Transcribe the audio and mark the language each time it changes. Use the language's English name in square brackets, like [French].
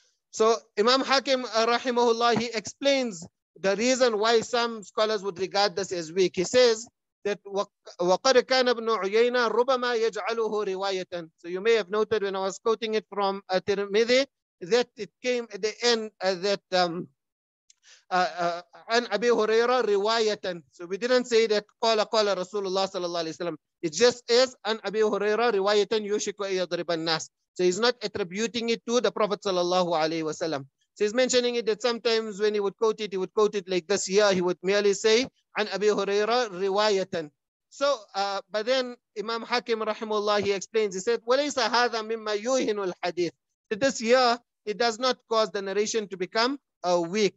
[English] So Imam Hakim rahimahullah, he explains the reason why some scholars would regard this as weak. He says that [Arabic] وَقَدْ كَانَ ابْنُ عُيَيْنَا رُبَمَا يَجْعَلُهُ رِوَايَةً. [English] So you may have noted when I was quoting it from Tirmidhi that it came at the end that [Arabic] عَنْ أَبِي هُرَيْرَ رِوَايَةً. [English] So we didn't say that [Arabic] قَالَ قَالَ رَسُولُ اللَّهِ صَلَى اللَّهِ عَلَيْهِ وَسَلَّمَ. [English] It just is [Arabic] عَنْ أَبِي هُرَيْرَ رِوَايَةً يُشِكُ أَنْ يَضْرِبَ النَّاسَ. [English] So he's not attributing it to the Prophet sallallahu alaihi wasallam. So he's mentioning it that sometimes when he would quote it like this here. He would merely say, [Arabic] "An Abi Huraira riwayatan." [English] So, but then Imam Hakim rahimullah, he explains. He said, [Arabic] "Walaysa hadha mimma yuhinu al-hadith." [English] That this here, it does not cause the narration to become weak.